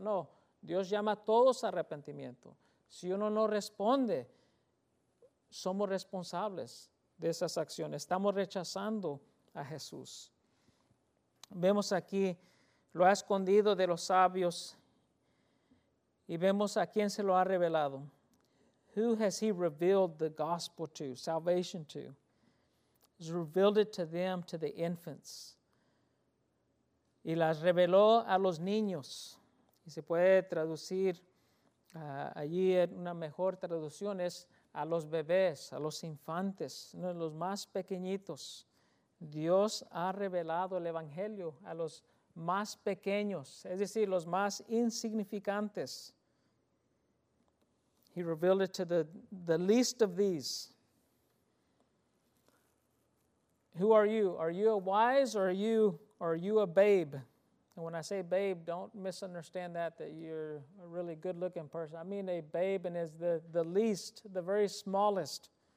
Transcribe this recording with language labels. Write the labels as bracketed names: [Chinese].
[Spanish] No, Dios llama a todos a arrepentimiento. Si uno no responde, somos responsables de esas acciones. Estamos rechazando a Jesús. Vemos aquí, lo ha escondido de los sabios. Y vemos a quién se lo ha revelado. [English] Who has he revealed the gospel to, salvation to? He's revealed it to them, to the infants. [Spanish] Y las reveló a los niños. Y se puede traducir allí una mejor traducción es a los bebés, a los infantes, uno de los más pequeñitos. Dios ha revelado el evangelio a los más pequeños, es decir, los más insignificantes. [English] He revealed it to the least of these. Who are you? Are you a wise or are you a babe? And when I say babe, don't misunderstand that you're a really good-looking person. I mean a babe and is the least, the very smallest.